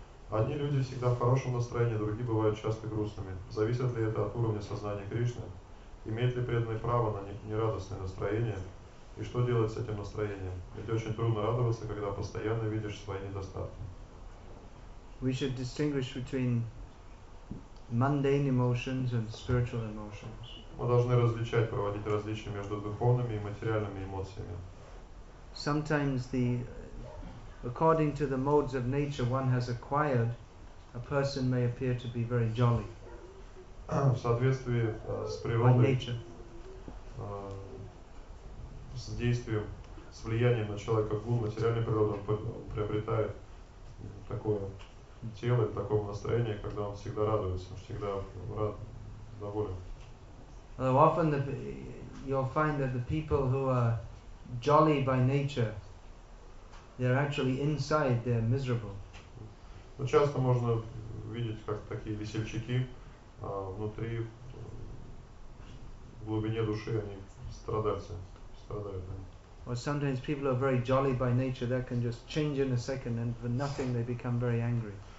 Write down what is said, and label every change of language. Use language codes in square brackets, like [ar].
[ru] Одни люди всегда в хорошем настроении, другие бывают часто грустными. Зависит ли это от уровня сознания Кришны? Имеет ли преданный право на нерадостное настроение? И что делать с этим настроением? Ведь очень трудно радоваться, когда постоянно видишь свои недостатки. [en] We should distinguish between mundane emotions and spiritual emotions. [ru] Мы должны различать, проводить различия между духовными и материальными эмоциями. [en] Sometimes the according to the modes of nature one has acquired, a person may appear to be very jolly. [ru] В соответствии с природой, с действием, с влиянием на человека гун материальной природы, он приобретает такое тело, такое настроение, когда он всегда радуется, всегда рад, доволен. [en] Although often you'll find that the people who are jolly by nature, they're actually inside, they're miserable. [ru] Но часто можно видеть, как такие весельчаки внутри, в глубине души, они страдают. [en] Or sometimes people are very jolly by nature, they can just change in a second and for nothing they become very angry.